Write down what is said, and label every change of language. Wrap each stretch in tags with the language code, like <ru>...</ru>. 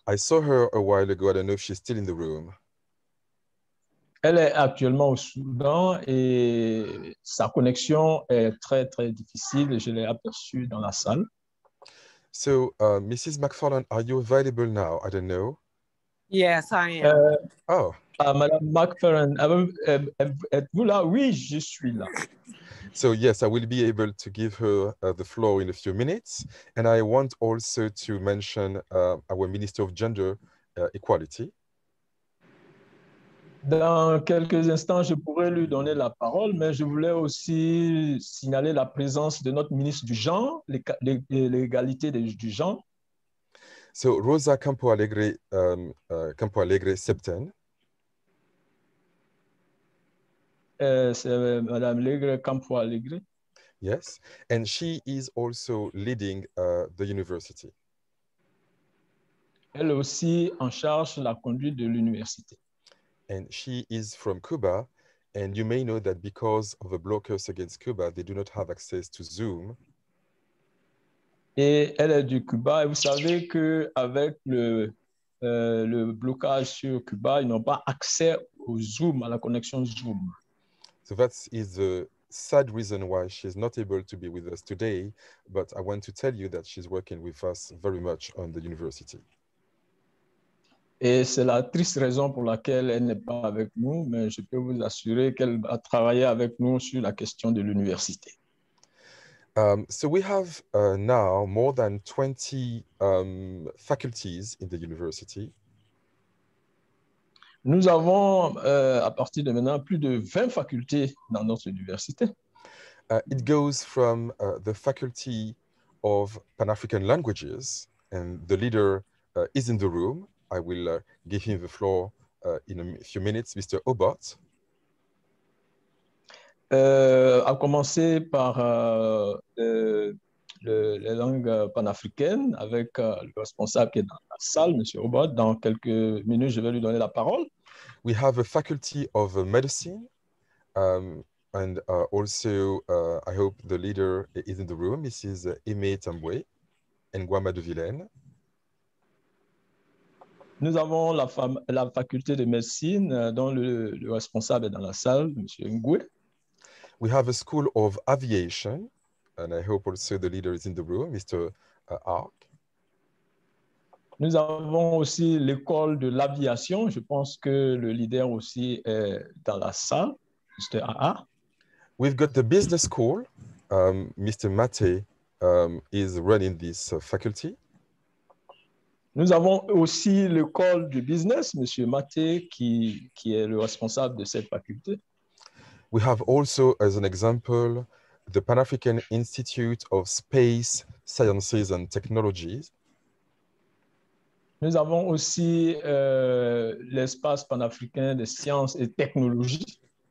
<en>I saw her a while ago. I don't know if she's still in the room.</en> <fr>Elle est actuellement au Soudan, et sa connexion est très, très difficile. Je l'ai aperçue dans la salle.</fr> <en>So, Mrs. MacFarland, are you available now? I don't know. Yes, I am.</en> <fr>Madame MacFarland, êtes-vous là? Oui, je suis là.</fr> <en>So, yes, I will be able to give her the floor in a few minutes. And I want also to mention our Minister of Gender Equality.</en> <fr>Dans quelques instants, je pourrais lui donner la parole, mais je voulais aussi signaler la présence de notre ministre du genre, l'égalité du genre.</fr> <en>So, Rosa Campo-Alegre, Campo-Alegre Septen.</en> <fr>C'est Madame Alegre Campo-Alegre.</fr> <en>Yes, and she is also leading the university.</en> <fr>Elle est aussi en charge de la conduite de l'université.</fr> <en>And she is from Cuba, and you may know that because of the blockers against Cuba, they do not have access to Zoom.</en> <fr>Et elle est du Cuba, et vous savez que avec le blocage sur Cuba, ils n'ont pas accès au Zoom, à la connexion Zoom.</fr> <en>So that is the sad reason why she's not able to be with us today, but I want to tell you that she's working with us very much on the university.</en> <fr>Et c'est la triste raison pour laquelle elle n'est pas avec nous, mais je peux vous assurer qu'elle va travailler avec nous sur la question de l'université.</fr> <en>So we have now more than 20 faculties in the university.</en> <fr>Nous avons à partir de maintenant plus de 20 facultés dans notre université.</fr> <en>It goes from the Faculty of Pan-African Languages, and the leader is in the room. I will give him the floor in a few minutes, Mr. Obot.</en> <fr>À commencer par les langues panafricaines avec le responsable qui est dans la salle, Monsieur Obot. Dans quelques minutes, je vais lui donner la parole.</fr> <en>We have a faculty of medicine, and also I hope the leader is in the room. This is Aimé Tambwe and Nguama de Vilaine.</en> <fr>Nous avons la faculté de médecine dont le responsable est dans la salle, M. Ngwe.</fr> <en>We have a school of aviation, and I hope also the leader is in the room, Mr. Arc.</en> <fr>Nous avons aussi l'école de l'aviation. Je pense que le leader aussi est dans la salle, Mr. Arc.</fr> <en>We've got the business school. Mr. Mate is running this faculty.</en> <fr>Nous avons aussi l'école du business, Monsieur Maté, qui est le responsable de cette faculté.</fr> <en>We have also, as an example, the Pan-African Institute of Space Sciences and Technologies.</en> <fr>Nous avons aussi l'espace panafricain des sciences et technologies.</fr>